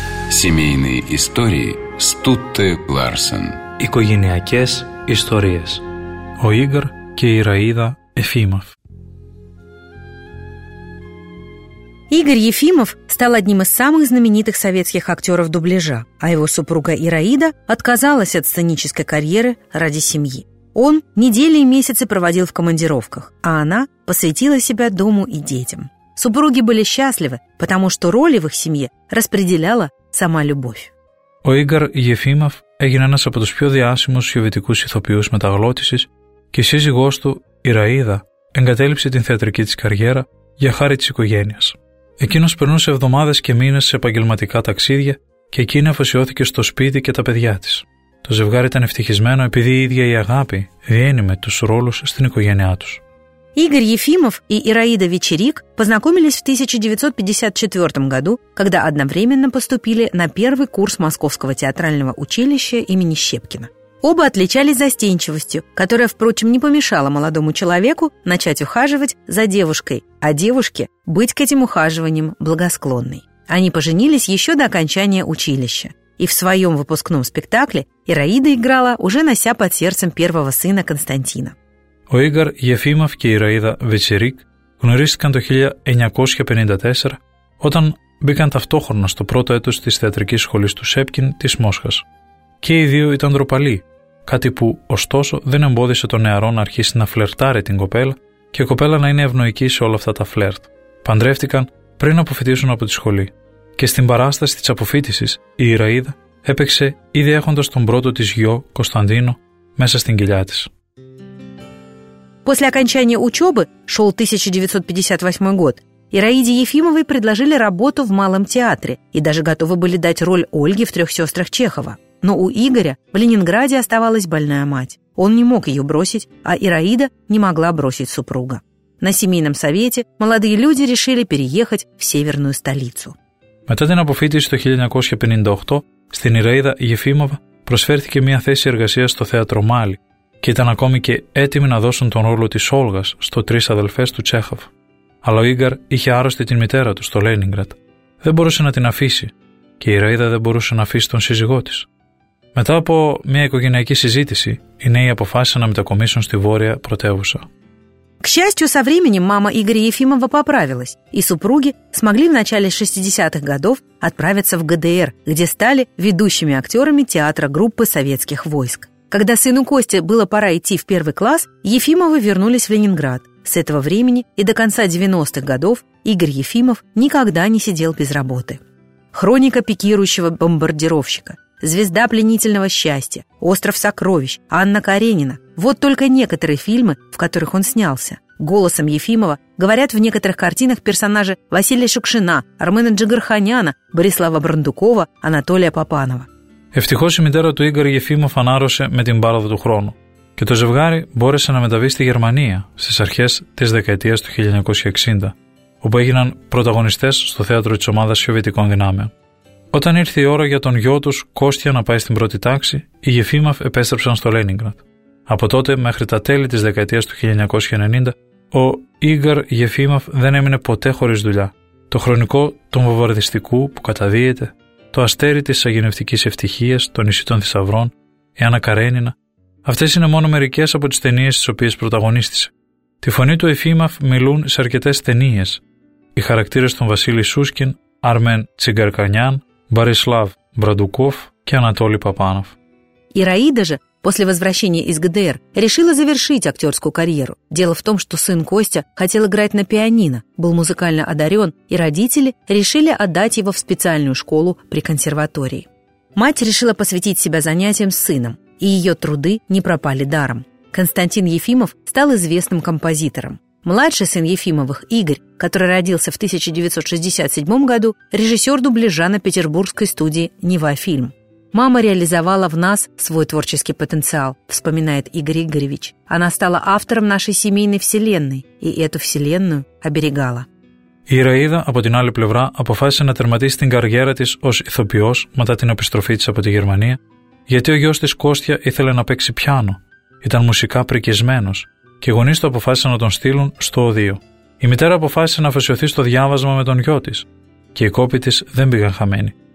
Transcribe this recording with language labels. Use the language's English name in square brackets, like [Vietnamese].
[Russian] Семейные истории Стутте Ларсен. [Greek] Οικογενειακές ιστορίες. Ο Ίγκορ και η Ραΐδα Εφίμοφ. [Russian] Игорь Ефимов стал одним из самых знаменитых советских актеров дубляжа, а его супруга Ираида отказалась от сценической карьеры ради семьи. Он недели и месяцы проводил в командировках, а она посвятила себя дому и детям. Супруги были счастливы, потому что роли в их семье распределяла сама любовь. [Greek] Ο Ίγκορ Ефίμοφ έγινε ένας από τους πιο διάσημους σοβιετικούς ηθοποιούς μεταγλώτησης και η σύζυγός του, η Ραΐδα, εγκατέλειψε την θεατρική της καριέρα για χάρη της οικογένειας. Εκείνος περνούσε εβδομάδες και μήνες σε επαγγελματικά ταξίδια και εκείνη αφοσιώθηκε στο σπίτι και τα παιδιά της. Το ζευγάρι ήταν ευτυχισμένο επειδή η ίδια η αγάπη διένυμε τους ρόλους στην οικογένειά τους. [Russian] Игорь Ефимов и Ираида Вечерик познакомились в 1954 году, когда одновременно поступили на первый курс Московского театрального училища имени Щепкина. Оба отличались застенчивостью, которая, впрочем, не помешала молодому человеку начать ухаживать за девушкой, а девушке быть к этим ухаживаниям благосклонной. Они поженились еще до окончания училища. И в своем выпускном спектакле Ираида играла, уже нося под сердцем первого сына Константина. [Greek] Ο Ίγκορ Ефίμοφ και η Ραΐδα Βετσιρίκ γνωρίστηκαν το 1954 όταν μπήκαν ταυτόχρονα στο πρώτο έτος της θεατρικής σχολής του Σέπκιν της Μόσχας. Και οι δύο ήταν ντροπαλοί, κάτι που ωστόσο δεν εμπόδισε τον νεαρό να αρχίσει να φλερτάρει την κοπέλα και η κοπέλα να είναι ευνοϊκή σε όλα αυτά τα φλερτ. Παντρεύτηκαν πριν αποφοιτήσουν από τη σχολή. Και στην παράσταση της αποφοίτησης η Ραΐδα έπαιξε ήδη έχοντας τον πρώτο της γιο Κωνσταντίνο μέσα στην κοιλιά της. [Russian] После окончания учебы, шел 1958 год, Ираиде Ефимовой предложили работу в Малом театре и даже готовы были дать роль Ольги в «Трех сестрах Чехова». Но у Игоря в Ленинграде оставалась больная мать. Он не мог ее бросить, а Ираида не могла бросить супруга. На семейном совете молодые люди решили переехать в северную столицу. [Greek] Μετά την αποφύτηση το 1958, στην Ираида Ефимова προσφέρθηκε μια θέση εργασίας στο θέατρο Μάλι, και ήταν ακόμη και έτοιμοι να δώσουν τον ρόλο της Όλγας στο τρεις αδελφές του Τσέχοφ. Αλλά ο Ίγκαρ είχε άρρωστη την μητέρα του στο Λένιγκρατ. Δεν μπορούσε να την αφήσει και η Ραΐδα δεν μπορούσε να αφήσει τον σύζυγό της. Μετά από μια οικογενειακή συζήτηση, οι νέοι αποφάσισαν να μετακομίσουν στη βόρεια πρωτεύουσα. [Russian] К счастью, со временем мама Игоря Ефимова поправилась, и супруги смогли в начале 60-х годов отправиться в ГДР, где стали ведущими актерами театра группы советских войск. Когда сыну Косте было пора идти в первый класс, Ефимовы вернулись в Ленинград. С этого времени и до конца 90-х годов Игорь Ефимов никогда не сидел без работы. «Хроника пикирующего бомбардировщика», «Звезда пленительного счастья», «Остров сокровищ», «Анна Каренина». Вот только некоторые фильмы, в которых он снялся. Голосом Ефимова говорят в некоторых картинах персонажи Василия Шукшина, Армена Джигарханяна, Борислава Брандукова, Анатолия Папанова. [Greek] Ευτυχώς η μητέρα του Игорь Ефимов ανάρρωσε με την πάροδο του χρόνου και το ζευγάρι μπόρεσε να μεταβεί στη Γερμανία στις αρχές της δεκαετίας του 1960, όπου έγιναν πρωταγωνιστές στο θέατρο της ομάδας Σοβιετικών Δυνάμεων. Όταν ήρθε η ώρα για τον γιο τους Κώστια να πάει στην πρώτη τάξη, οι Ефίμοφ επέστρεψαν στο Λένιγκραντ. Από τότε μέχρι τα τέλη της δεκαετίας του 1990, ο Ίγκαρ Ефίμοφ δεν έμεινε ποτέ χωρίς δουλειά. Το χρονικό του βομβαρδιστικού που καταδύεται, το αστέρι της αγενευτικής ευτυχίας, το νησί των θησαυρών, η Άννα Καρένινα, αυτές είναι μόνο μερικές από τις ταινίες στις οποίες πρωταγωνίστησε. Τη φωνή του Ιφίμαφ μιλούν σε αρκετές ταινίες. Οι χαρακτήρες των Βασίλη Σούσκιν, Αρμέν Τσιγκαρκανιάν, Μπαρισλάβ Μπραντουκόφ και Ανατόλη Παπάνοφ. Η Ραΐδα [Russian] же, после возвращения из ГДР, решила завершить актерскую карьеру. Дело в том, что сын Костя хотел играть на пианино, был музыкально одарен, и родители решили отдать его в специальную школу при консерватории. Мать решила посвятить себя занятиям с сыном, и ее труды не пропали даром. Константин Ефимов стал известным композитором. Младший сын Ефимовых, Игорь, который родился в 1967 году, режиссер дубляжа на петербургской студии «Нева Фильм». «Мама реализовала в нас свой творческий потенциал», вспоминает Игорь Игоревич. «Она стала автором нашей семейной вселенной и эту вселенную оберегала». [Greek] Η Ραΐδα, από την άλλη πλευρά, αποφάσισε να τερματίσει την καριέρα της ως ηθοποιός μετά την επιστροφή της από τη Γερμανία, γιατί ο γιος της Κώστια ήθελε να παίξει πιάνο. Ήταν μουσικά πρικισμένος και οι γονείς του αποφάσισαν να τον στείλουν στο οδείο. Η μητέρα αποφάσισε να αφοσιωθεί στο διάβασμα με τον γιο της και οι κόποι της δεν πήγαν χαμένοι.